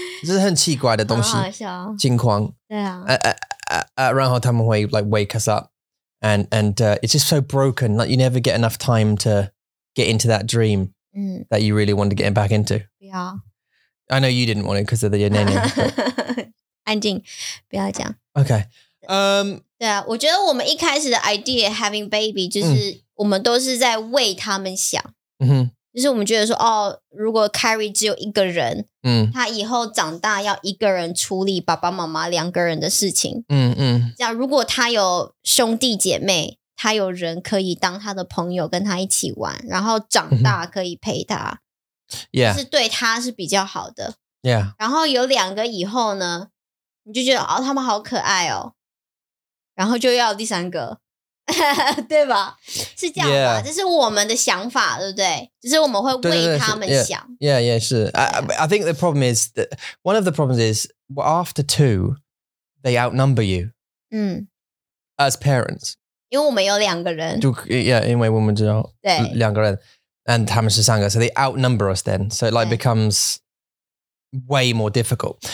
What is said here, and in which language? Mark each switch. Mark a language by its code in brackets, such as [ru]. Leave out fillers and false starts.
[zh] 这是很奇怪的东西,情况. 对啊。然后他们会 [en] like wake us up and it's just so broken, like you never get enough time to get into that dream that you really wanted to get back into. Yeah. I know you didn't want it because of the your nanny. [zh] 安静，不要讲。 OK，对啊，我觉得我们一开始的 [en] idea having baby [zh] 就是我们都是在为他们想。嗯哼。就是我们觉得说哦，如果 Carrie 只有一个人，嗯，他以后长大要一个人处理爸爸妈妈两个人的事情，嗯嗯，这样如果他有兄弟姐妹，他有人可以当他的朋友跟他一起玩，然后长大可以陪他， yeah，就是对他是比较好的， yeah。然后有两个以后呢，你就觉得哦，他们好可爱哦，然后就要第三个。对吧，是这样吧， yeah。这是我们的想法，对不对，就是我们会为他们想，对对对， yeah， yeah， yeah， 是，yeah。 [en] I think the problem is that one of the problems is after two they outnumber you，嗯， as parents， [zh] 因为我们有两个人，就 yeah， 因为我们只有两个人，对， [en] and [zh] 他们是三个， [en] so they outnumber us then， so it like becomes way more difficult。